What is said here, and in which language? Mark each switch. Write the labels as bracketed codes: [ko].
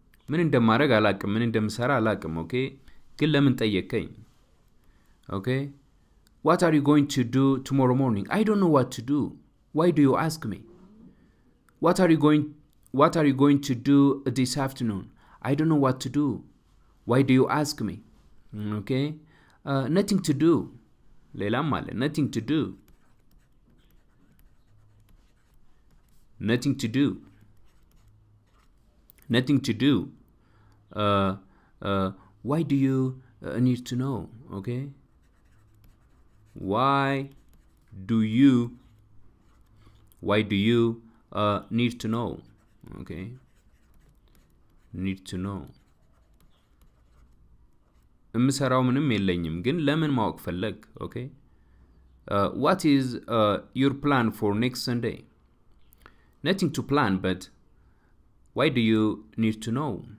[am] ምን እንደማረግ አላቅም ምን እንደምሰራ አላቅም. Okay? ግን ለምን ጠየቀኝ? Okay? [en] What are you going to do tomorrow morning? I don't know what to do. Why do you ask me? What are you going to do this afternoon? I don't know what to do. Why do you ask me? Okay. Nothing to do. [am] ሌላም አለ. [en] Nothing to do. Nothing to do. Nothing to do. Why do you need to know? Okay. Why do you need to know? Okay. Need to know. [am] እምሰራው ምንም የለኝም ግን ለምን ማወቅ ፈለግ? [en] Okay. What is your plan for next Sunday? Nothing to plan, but why do you need to know?